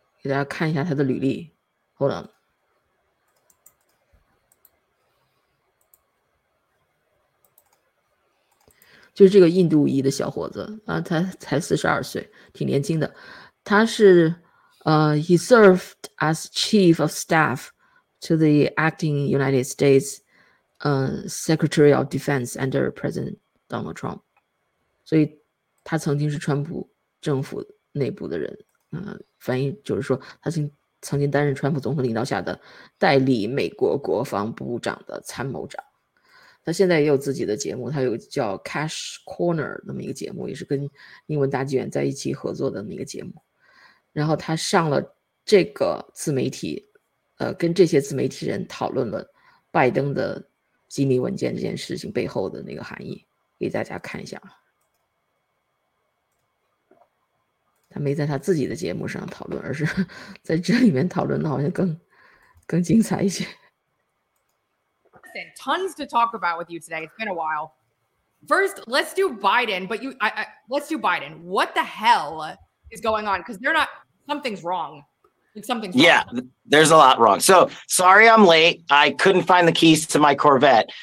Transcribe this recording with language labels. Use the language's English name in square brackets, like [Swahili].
[Chinese] 给大家看一下他的履历。 [English] Hold on。 [Chinese] 就是这个印度裔的小伙子啊，他才42岁，挺年轻的。他是 [English] he served as chief of staff to the acting United States Secretary of Defense under President Donald Trump. [Chinese] 所以他曾经是川普政府内部的人，翻译就是说他曾经担任川普总统领导下的代理美国国防部长的参谋长。他现在也有自己的节目，他有叫 Cash Corner 那么一个节目，也是跟英文大纪元在一起合作的那个节目。然后他上了这个自媒体，跟这些自媒体人讨论了拜登的机密文件这件事情背后的那个含义，给大家看一下。他没在他自己的节目上讨论，而是在这里面讨论的好像更精彩一些。 [English] Listen, tons to talk about with you today. It's been a while. First, let's do Biden. But you, let's do Biden. What the hell is going on? Because they're not. Something's wrong. Something's wrong. Yeah, there's a lot wrong. So sorry I'm late. I couldn't find the keys to my Corvette.